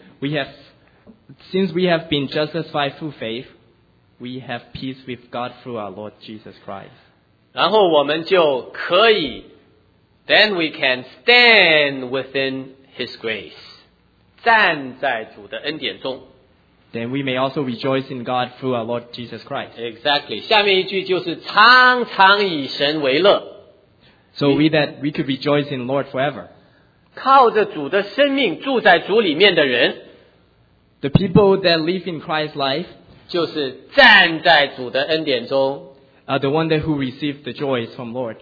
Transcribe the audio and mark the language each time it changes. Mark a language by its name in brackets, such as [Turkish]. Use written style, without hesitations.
[English] We have, since we have been justified through faith, we have peace with God through our Lord Jesus Christ. [Chinese] 然后我们就可以, [English] then we can stand within His grace. [Chinese] 站在主的恩典中。 [English] Then we may also rejoice in God through our Lord Jesus Christ. Exactly. [Chinese] 下面一句就是常常以神为乐。 [English] So we that we could rejoice in the Lord forever. [Chinese] 靠着主的生命住在主里面的人, [English] the people that live in Christ's life, [Chinese] 就是站在主的恩典中, [English] are the one that who receive the joys from the Lord,